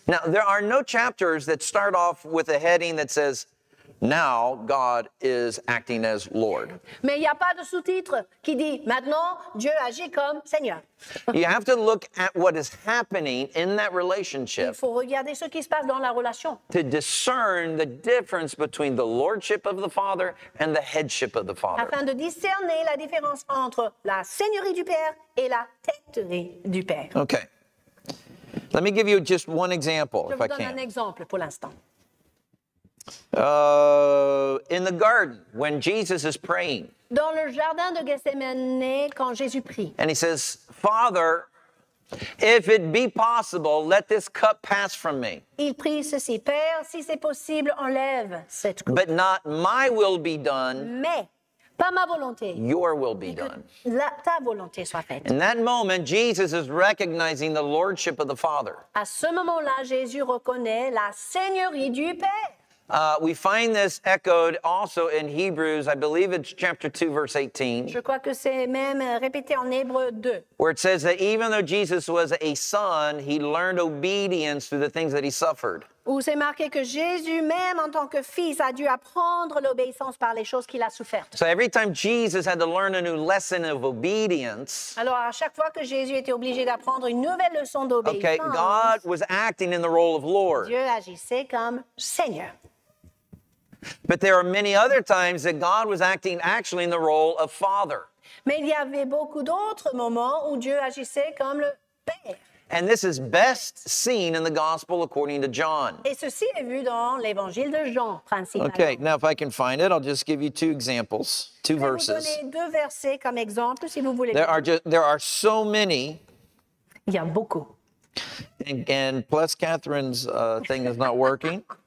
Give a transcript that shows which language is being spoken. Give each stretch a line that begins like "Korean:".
English: Now, there are no chapters that start off with a heading that says, now God is acting as Lord.
French: Mais il n'y a pas de sous-titre qui dit maintenant Dieu agit comme Seigneur.
English: You have to look at what is happening in that relationship.
French: Il faut regarder ce qui se passe dans la relation.
English: To discern the difference between the lordship of the Father and the headship of the Father.
French: Afin de discerner la différence entre la seigneurie du Père et la têterie du Père.
English: Okay. Let me give you just one example,
French: je
English: if I can.
French: Je vous donne un exemple pour l'instant.
English: In the garden, when Jesus is praying,
French: dans le jardin de Gethsemane, quand Jésus prie,
English: and he says, Father, if it be possible, let this cup pass from me.
French: Il prie ceci, Père, si c'est possible, enlève cette coupe.
English: But not my will be done,
French: mais pas ma volonté,
English: your will be done.
French: La, ta volonté soit faite.
English: In that moment, Jesus is recognizing the lordship of the Father.
French: À ce moment-là, Jésus reconnaît la seigneurie du Père.
English: We find this echoed also in Hebrews, I believe it's chapter 2, verse 18.
French: Je crois que c'est même répété en Hébreux 2.
English: Where it says that even though Jesus was a son, he learned obedience through the things that he suffered.
French: Où c'est marqué que Jésus même en tant que fils a dû apprendre l'obéissance par les choses qu'il a souffertes.
English: So every time Jesus had to learn a new lesson of obedience.
French: Alors à chaque fois que Jésus était obligé d'apprendre une nouvelle leçon d'obéissance.
English: Okay, God was acting in the role of Lord.
French: Dieu agissait comme Seigneur.
English: But there are many other times that God was acting actually in the role of Father.
French: Mais il y avait beaucoup d'autres moments où Dieu agissait comme le Père.
English: And this is best seen in the Gospel according to John.
French: Et ceci est vu dans l'Évangile de Jean, principalement.
English: Okay, now if I can find it, I'll just give you two examples, two verses.
French: Je vais vous donner deux versets comme exemple, si vous voulez.
English: There are so many.
French: Il y a beaucoup.
English: And plus Catherine's thing is not working.